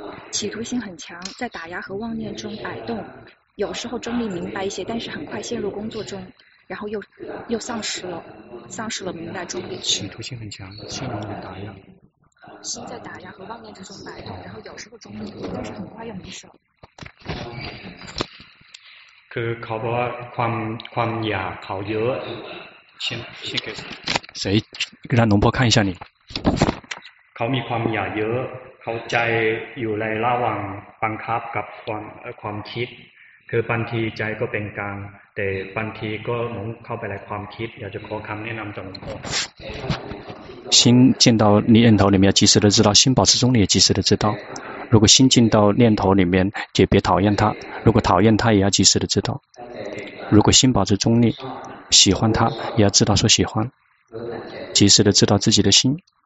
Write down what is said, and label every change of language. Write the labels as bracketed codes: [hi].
[zh] 企图心很强，在打压和妄念中摆动，有时候中立明白一些，但是很快陷入工作中，然后又丧失了明白中立。企图心很强，陷入了打压，心在打压和妄念之中摆动，然后有时候中立，但是很快又没事了。 [th] คือเขาบอกว่าความอยากเขาเยอะใช่ไหม สิท่านหลวงพ่อ [zh] 看一下你 [th] เขามีความอยากเยอะเขาใจอยู่ในระหว่างบังคับกับความคิดคือบางทีใจก็เป็นกลางแต่บางทีก็หลงเข้าไปในความคิดอยากจะขอคำแนะนำจากหลวงพ่ [zh] อ心见到念头里面及时的知道心保持中立及时的知道如果心进到念头里面就别讨厌他如果讨厌他也要及时的知道如果心保持中立喜欢他也要知道说喜欢及时的知道自己的心